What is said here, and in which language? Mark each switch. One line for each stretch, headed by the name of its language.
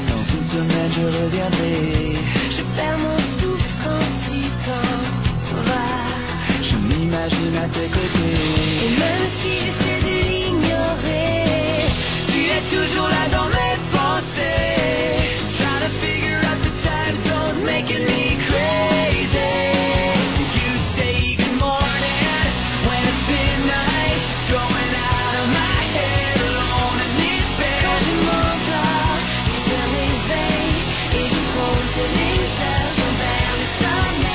French: Je perds mon souffle quand tu t'en vas. Je m'imagine. tes côtés. Et même si j'essaie de l'ignorer, tu es toujours là dans mes pensées.
English: Trying to figure out the time zones making me crazy. You say good morning when it's midnight. Going out of my head alone in this bed.
French: Quand je m'endors, tu te réveilles. Et je compte tes lignes, j'en perds le sommeil.